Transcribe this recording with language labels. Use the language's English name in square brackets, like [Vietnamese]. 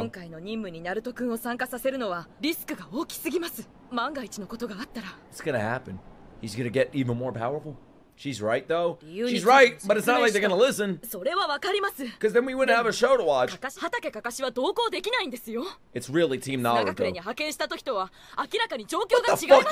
[Japanese] 今回の任務にナルト君を参加させるのはリスクが大きすぎます。万が一のことがあったら。 [English] It's gonna happen. He's gonna get even more powerful. She's right, though. She's right, but it's not like they're gonna listen. [Japanese] それはわかります。 [English] Because then we wouldn't have a show to watch. [Japanese] かかし、畑かかしは同行できないんですよ。 [English] It's really Team Naruto. [Japanese] 長倉に派遣した時とは明らかに状況が違います。